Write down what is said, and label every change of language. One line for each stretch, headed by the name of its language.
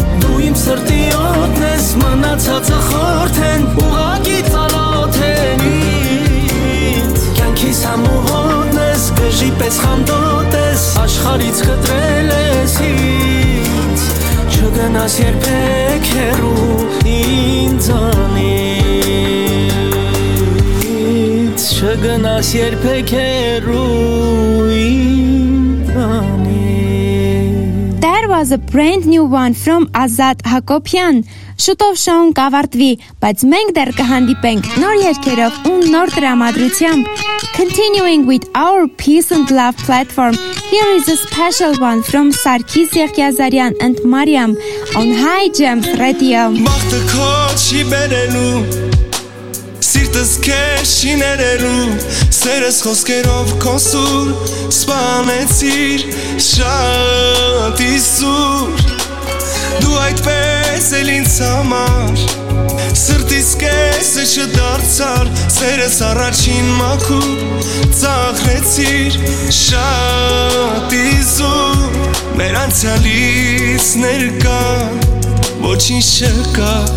Armenian: դու իմ սրտի օտնես մնացածը խորթեն ուղագի ծանոթեն ինձ կյանքիս համուհոտնես գժի պես խանդոտես աշխարից կտրել ես ինձ չգնաս երբեք հեռու ինձանից չգնաս երբեք հեռու ինձանից
English: That was a brand new one from Azad Hakopian.
Armenian: Շուտով շոուն կավարտվի, բայց մենք դեռ կհանդիպենք նոր երգերով ու նոր դրամատրությամբ.
English: Continuing with our Peace and Love platform, here is a special one from Sarkis Yeghyazaryan and Mariam on High Jump Radio.
Armenian: Մաղթը քո չի բերելու, սիրտս քեզ չի ներելու, սերս խոսքերով քո սուր, սպանեցիր շատ իսուր. Դու այդպես էլ ինձ համար Սրտիս կեսը չդարձար Սերս առաջին մաքուր Ծաղրեցիր շատ իզուր Մեր անցյալից ներկա Ոչինչ չկա